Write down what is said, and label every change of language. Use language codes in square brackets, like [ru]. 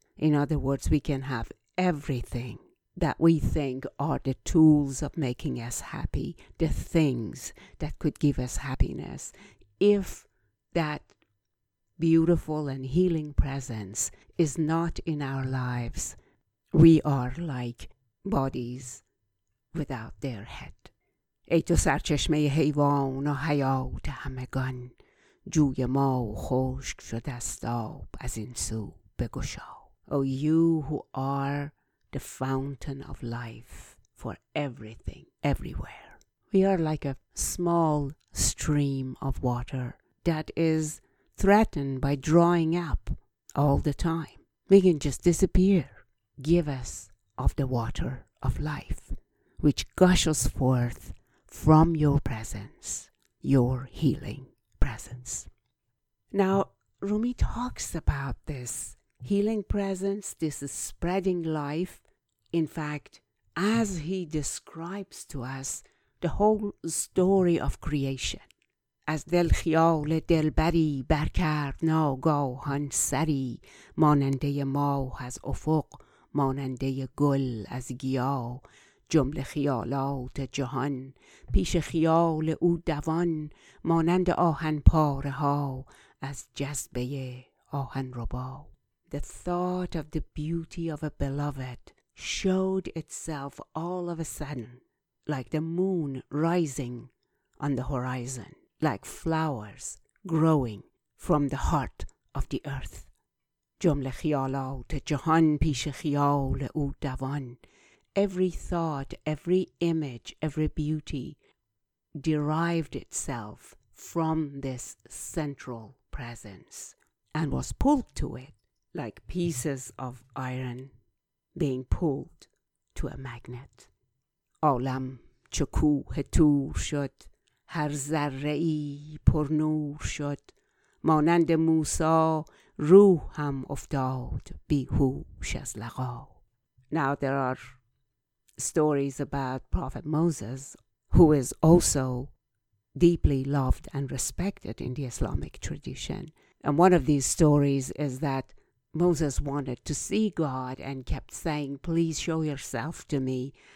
[en] In other words, we can have everything that we think are the tools of making us happy, the things that could give us happiness, if that beautiful and healing presence is not in our lives. We are like bodies without their head. [fa] ای تو سرچشمه حیوان و حیات همگان، جوی ما خشک شده است آب از این سو بگشا. [en] O you who are the fountain of life for everything, everywhere. We are like a small stream of water that is threatened by drying up all the time. We can just disappear. Give us of the water of life, which gushes forth from your presence, your healing presence. Now, Rumi talks about this healing presence, this is spreading life. In fact, as he describes to us the whole story of creation, [fa] از دل خیال دلبری برکرد ناگاهان سری، ماننده ماه از افق، ماننده گل از گیا، جمله خیالات جهان پیش خیال او دوان، مانند آهن پاره ها از جذبه آهن ربا. [en] The thought of the beauty of a beloved showed itself all of a sudden, like the moon rising on the horizon, like flowers growing from the heart of the earth. [fa] جمله خیالات جهان پیش خیال او دوان. [en] Every thought, every image, every beauty derived itself from this central presence and was pulled to it like pieces of iron being pulled to a magnet. [fa] عالم چو کوه طور شد، هر ذره ای پر نور شد، مانند موسی روح هم افتاد بیهوش از لقا. [en] Now there are stories about Prophet Moses, who is also deeply loved and respected in the Islamic tradition. And one of these stories is that Moses wanted to see God and kept saying, please show yourself to me.